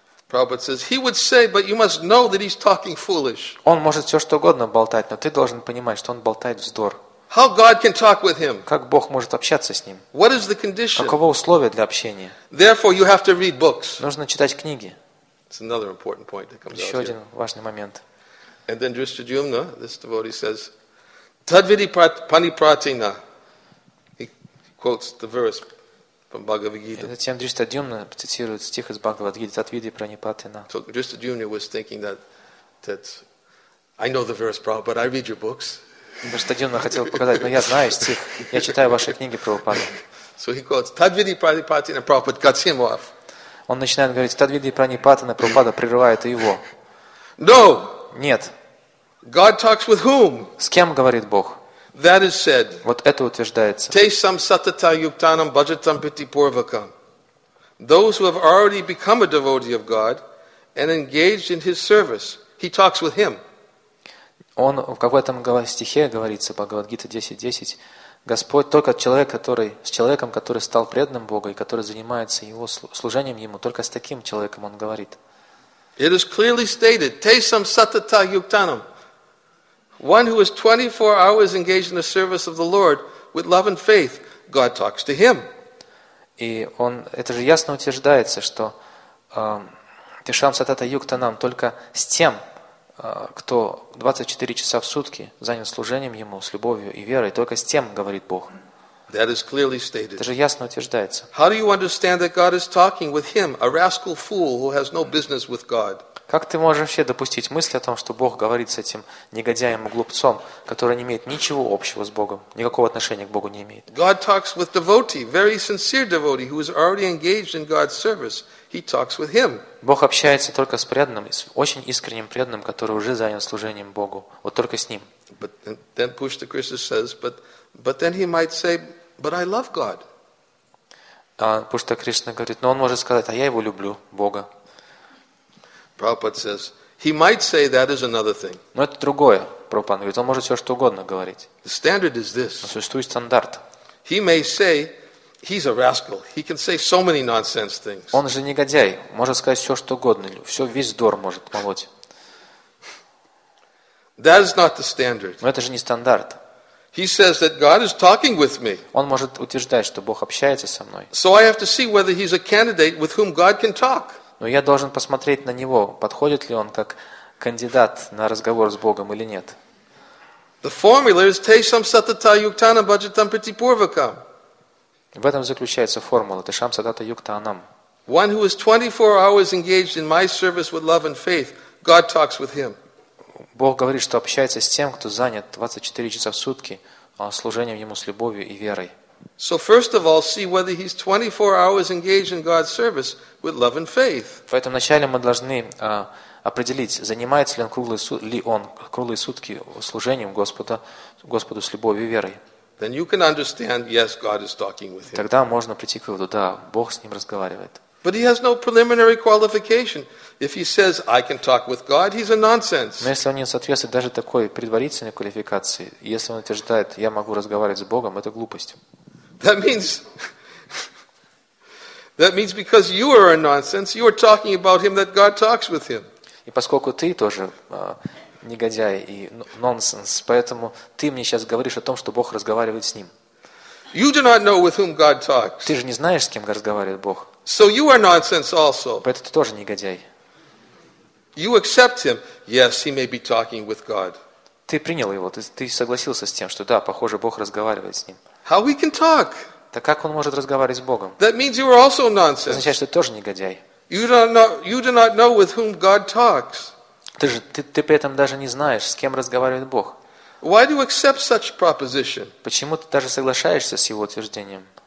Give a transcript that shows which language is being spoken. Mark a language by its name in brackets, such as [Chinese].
[English] Prabhupada says, he would say, but you must know that he's talking foolish. [Russian] Он может все что угодно болтать, но ты должен понимать, что он болтает вздор. [English] How God can talk with him? [Russian] Как Бог может общаться с ним? [English] What is the condition? [Russian] Каково условие для общения? [English] Therefore, you have to read books. [Russian] Нужно читать книги. [English] It's another important point that comes out here. [Russian] Один важный момент. [English] And then Drishtadyumna, this devotee says, [Sanskrit] Tadvidi panipratina. [English] He quotes the verse from Bhagavad Gita. [Russian] Затем Дриштадюмна цитирует стих из Бхагавад Гиты, [Sanskrit] Тадвиди пранипатина. [English] So Drishtadyumna was thinking that I know the verse, Prabhupada, but I read your books. [Russian] Дриштадюмна хотел показать, но я знаю стих, я читаю ваши книги, Прабхупада. [English] So he quotes, [Sanskrit] Tadvidi pranipatina, [English] Prabhupada cuts him off. [Russian] Он начинает говорить, [Sanskrit] Тадвиди пранипатина, [Russian] Прабхупада прерывает его. [English] No! [Russian] Нет. [English] God talks with whom? [Russian] С кем говорит Бог? [English] That is said. [Russian] Вот это утверждается. [Sanskrit] Tesam satata yuktanam bhajatam piti purvakam. [English] Those who have already become a devotee of God and engaged in His service, He talks with him. [Russian] Он в каком стихе говорится, Бхагавад-гита 10:10, Господь только человек, который с человеком, который стал преданным Богу и который занимается Его служением Ему, только с таким человеком Он говорит. [English] It is clearly stated, [Sanskrit] Tesam satata yuktanam. [English] One who is 24 hours engaged in the service of the Lord with love and faith, God talks to him. [Russian] И он, это же ясно утверждается, что [Sanskrit] Тишам Сатата Юктанам [Russian] только с тем, кто 24 часа в сутки занят служением ему, с любовью и верой, только с тем, говорит Бог. [English] That is clearly stated. [Russian] Это же ясно утверждается. [English] How do you understand that God is talking with him, a rascal fool who has no business with God? [Russian] Как ты можешь вообще допустить мысль о том, что Бог говорит с этим негодяем и глупцом, который не имеет ничего общего с Богом, никакого отношения к Богу не имеет? [English] God talks with devotee, very sincere devotee, who is already engaged in God's service. He talks with him. [Russian] Бог общается только с преданным, с очень искренним преданным, который уже занят служением Богу. Вот только с ним. [English] But then Pushta Krishna says, but then he might say, but I love God. [Russian] Пушта Кришна говорит, но он может сказать, а я его люблю, Бога. [English] Prabhupada says, he might say that is another thing. [Russian] Но это другое, Прабхупада говорит, он может все что угодно говорить. [English] The standard is this. [Russian] Существует стандарт. [English] He may say, he's a rascal. He can say so many nonsense things. [Russian] Он же негодяй, может сказать все что угодно, все весь вздор может молоть. [English] That is not the standard. [Russian] Но это же не стандарт. [English] He says that God is talking with me. [Russian] Он может утверждать, что Бог общается со мной. [English] So I have to see whether he's a candidate with whom God can talk. [Russian] Но я должен посмотреть на него, подходит ли он как кандидат на разговор с Богом или нет. [English] The formula is [Sanskrit] tesam satata yuktanam bhajatam priti purvakam. [Russian] В этом заключается формула [Sanskrit] tesam satata yuktanam. [English] One who is 24 hours engaged in my service with love and faith, God talks with him. [Russian] Бог говорит, что общается с тем, кто занят 24 часа в сутки служением ему с любовью и верой. [English] So first of all, see whether he's 24 hours engaged in God's service with love and faith. [Russian] Поэтому вначале мы должны определить, занимается ли он круглые сутки служением Господу с любовью и верой. [English] Then you can understand, yes, God is talking with him. [Russian] Тогда можно прийти к выводу, да, Бог с ним разговаривает. [English] But he has no preliminary qualification. If he says, I can talk with God, he's a nonsense. [Russian] Но если он не соответствует даже такой предварительной квалификации, если он утверждает, я могу разговаривать с Богом, это глупость. [English] That means because you are a nonsense, you are talking about him that God talks with him. [Russian] И поскольку ты тоже негодяй и нонсенс, поэтому ты мне сейчас говоришь о том, что Бог разговаривает с ним. [English] You do not know with whom God talks. [Russian] Ты же не знаешь, с кем разговаривает Бог. [English] So you are nonsense also. [Russian] Поэтому ты тоже негодяй. [English] You accept him. Yes, he may be talking with God. [Russian] Ты принял его, ты согласился с тем, что да, похоже, Бог разговаривает с ним. [English] How he can talk? [Russian] Так как он может разговаривать с Богом? [English] That means you are also nonsense. [Russian] Это означает, что ты тоже негодяй. [English] You do not know with whom God talks. [Russian] Ты при этом даже не знаешь, с кем разговаривает Бог. [English] Why do you accept such proposition? [Russian] Почему ты даже соглашаешься с его утверждением?